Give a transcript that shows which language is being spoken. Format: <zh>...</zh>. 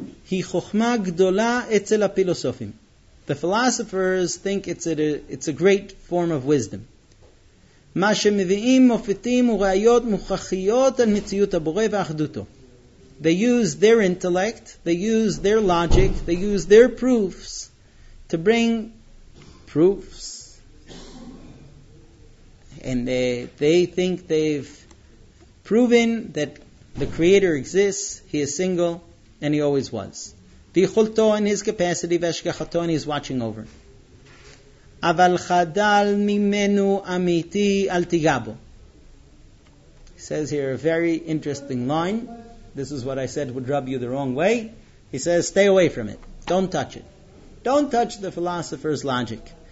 <he>Hi chokhma gdola etzel hapilosofim.</he> <en>The philosophers think it's a great form of wisdom.</en> <he>מה שמביאים מופתים וראיות מוכחיות על מציאות הבורא ואחדותו.</he> <en>They use their intellect, they use their logic, they use their proofs to bring proofs. And they think they've proven that the Creator exists, He is single, and He always was. ויכולתו in His capacity והשגחתו and He's watching over.</en> <he>אבל חדל ממנו אמיתי אל תיגע בו.</he> <en>He says here a very interesting line. This is what I said would rub you the wrong way. He says, stay away from it. Don't touch it. Don't touch the philosopher's logic.</en>